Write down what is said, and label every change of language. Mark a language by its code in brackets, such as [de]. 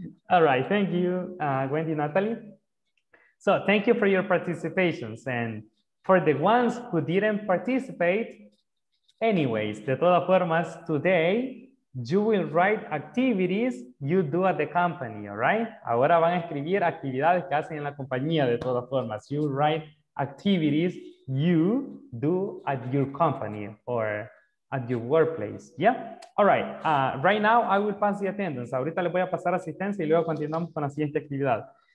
[en] All right, thank you, Wendy, Natalie. So thank you for your participations. And for the ones who didn't participate, anyways, [es] de todas formas, [en] today, you will write activities you do at the company, all right? [es] Ahora van a escribir actividades que hacen en la compañía, de todas formas. [en] You write activities you do at your company or at your workplace. Yeah. All right. Right now I will pass the attendance. [es] Ahorita le voy a pasar asistencia y luego continuamos con la siguiente actividad.